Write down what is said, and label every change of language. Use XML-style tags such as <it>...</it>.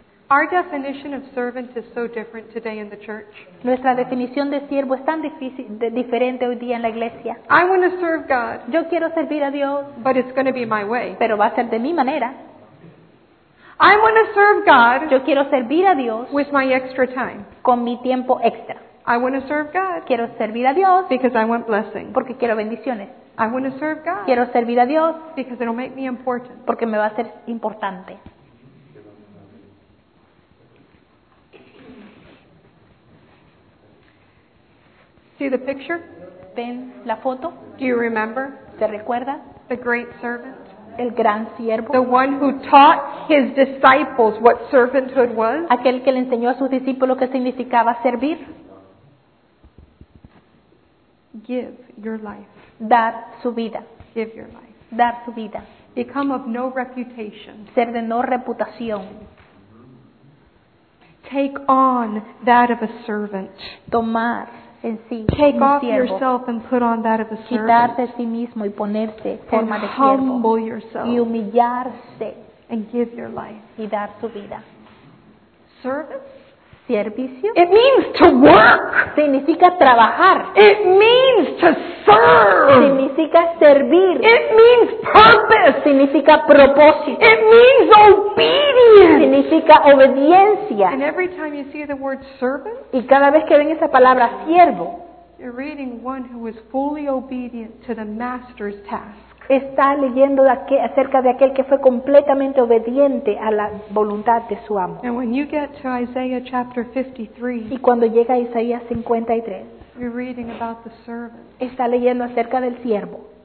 <en>Our definition of servant is so different today in the church.</en> <es>Nuestra definición de siervo es tan diferente hoy día en la iglesia.</es> <en>I want to serve God.</en> <es>Yo quiero servir a Dios.</es> <en>But it's going to be my way.</en> <es>Pero va a ser de mi manera.</es> <en>I want to serve God.</en> <es>Yo quiero servir a Dios.</es> <en>With my extra time.</en> <es>Con mi tiempo extra.</es> <en>I want to serve God.</en> <es>Quiero servir a Dios.</es> <en>Because I want blessing.</en> <es>Porque quiero bendiciones.</es> <en>I want to serve God.</en> <es>Quiero servir a Dios.</es> <en>Because it'll make me important.</en> <es>Porque me va a ser importante.</es> <en>See the picture?</en> <es>¿Ven la foto?</es> <en>Do you remember?</en> <es>¿Te recuerdas?</es> <en>The great servant.</en> <es>El gran siervo.</es> <en>The one who taught his disciples what servanthood was.</en> <es>Aquel que le enseñó a sus discípulos qué significaba servir.</es> <en>Give your life.</en> <es>Dar su vida.</es> <en>Give your life.</en> <es>Dar su vida.</es> <en>Become of no reputation.</en> <es>Ser de no reputación.</es> <en>Take on that of a servant.</en> <es>Tomar en sí.</es> <en>Take off yourself and put on that of a servant.</en> <es>Quitarse a sí mismo y ponerse forma de siervo.</es> <en>Humble yourself.</en> <es>Y humillarse.</es> <en>And give your life.</en> <es>Y dar su vida.</es> <en>Service.</en> <es>Servicio.</es> <en>It means to work.</en> <es>Significa trabajar.</es> <en>It means to serve.</en> <es>Significa servir.</es> <en>It means purpose.</en> <es>Significa propósito.</es> <en>It means obedience.</en> <es>Significa obediencia.</es> <en>And every time you see the word servant,</en> <es>y cada vez que ven esa palabra siervo,</es> <en>you're reading one who is fully obedient to the master's task.</en> <es>Está leyendo acerca de aquel que fue completamente obediente a la voluntad de su amo.</es> <en>And when you get to Isaiah chapter 53,</en> <es>y cuando llega a Isaías 53,</es> <en>you're reading about the servant.</en> <es>Está leyendo acerca del siervo.</es>